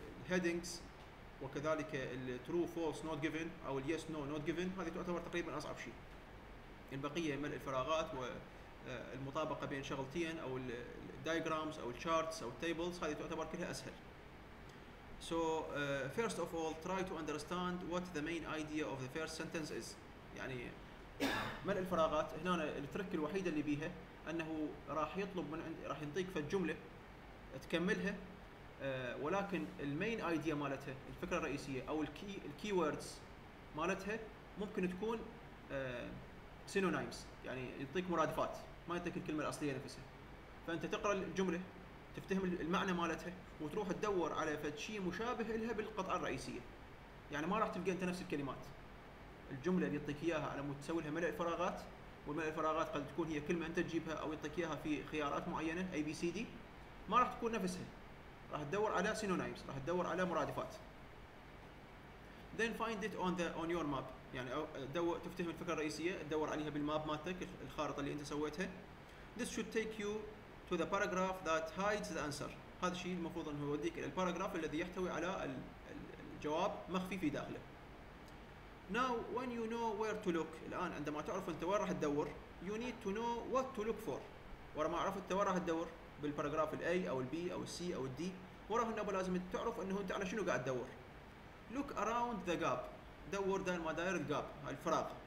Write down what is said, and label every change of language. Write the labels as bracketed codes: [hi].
[en] Headings وكذلك true false not given أو yes no not given [ar] هذه تعتبر تقريبا أصعب شيء. البقية مال الفراغات و المطابقه بين شغلتين او الدايجرامز او الشارتس او التيبلز هذه تعتبر كلها اسهل. [en] So first of all try to understand what the main idea of the first sentence is. [ar] يعني ملء الفراغات هنا التريك الوحيده اللي بيها انه راح يطلب من عندي راح ينطيك في الجمله تكملها ولكن المين ايديا مالتها الفكره الرئيسيه او الكي ووردز مالتها ممكن تكون synonyms يعني يعطيك مرادفات ما يعطيك الكلمه الاصليه نفسها. فانت تقرا الجمله تفتهم المعنى مالتها وتروح تدور على فد شيء مشابه لها بالقطعه الرئيسيه. يعني ما راح تلقى انت نفس الكلمات. الجمله اللي يعطيك اياها على مود تسوي لها ملء الفراغات وملء الفراغات قد تكون هي كلمه انت تجيبها او يعطيك اياها في خيارات معينه اي بي سي دي ما راح تكون نفسها. راح تدور على synonyms راح تدور على مرادفات. [en] Then find it on the on your map. [ar] يعني تفتهم الفكرة الرئيسية تدور عليها بالماب مالتك الخارطة اللي أنت سويتها. [en] This should take you to the paragraph that hides the answer. [ar] هذا الشيء المفروض أنه يوديك إلى الباراجراف الذي يحتوي على الجواب مخفي في داخله. [en] Now when you know where to look. [ar] الآن عندما تعرف أنت وين راح تدور. [en] You need to know what to look for. [ar] ورا ما عرفت أنت وين راح تدور بالباراجراف الـ A أو الـ B أو الـ C أو الـ D. وراه النبو لازم تعرف أنه أنت على شنو قاعد تدور. [en] Look around the gap. [ar] دور دائما داير الجاب الفراغ.